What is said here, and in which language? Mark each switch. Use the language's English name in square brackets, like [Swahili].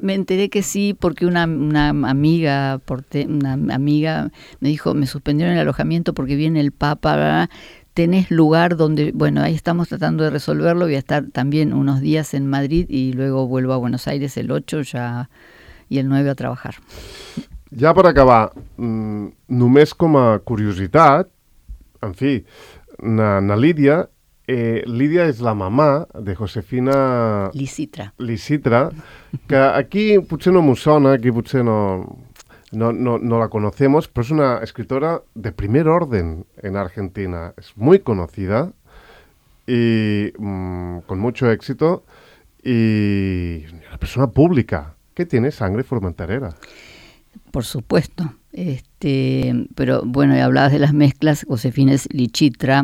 [Spanish] Me enteré que sí, porque una amiga me dijo: me suspendieron el alojamiento porque viene el Papa. ¿Verdad? Tenés lugar donde. Bueno, ahí estamos tratando de resolverlo. Voy a estar también unos días en Madrid y luego vuelvo a Buenos Aires el 8 ya, y el 9 a trabajar. [Catalan] Ja per acabar, només com a curiositat, en fi, na Lídia, Lídia és la mamà de Josefina... Lisitra, que aquí potser no m'ho sona, aquí potser [Spanish] no la conocemos, [Catalan] però és una [Spanish] escritora de primer orden [Catalan] en Argentina. [Spanish] És muy conocida y con mucho éxito y una persona pública que tiene sangre formenterera. Por supuesto, pero bueno, ya hablabas de las mezclas, Josefina es Lisitra.